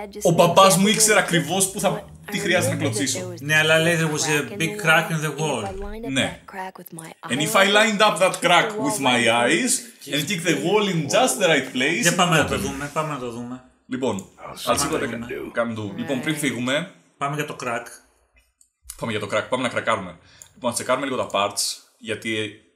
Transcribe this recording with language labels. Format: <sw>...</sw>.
<el>Ο μπαμπάς μου ήξερε ακριβώς που θα, τι χρειάζεται να κλωτσίσω. Ναι, αλλά λέει</el> <en>there was a big crack in the wall.</en> <el>Ναι.</el> <en>And if I lined up that crack with my eyes and kick the wall in just the right place.</en> <el>Για πάμε να το δούμε, πάμε να το δούμε. Λοιπόν, ας είπατε κάνουμε το. Λοιπόν, πριν φύγουμε. Πάμε για το crack. Πάμε για το crack, πάμε να κρακάρουμε. Λοιπόν, να τσεκάρουμε λίγο τα parts, γιατί...</el>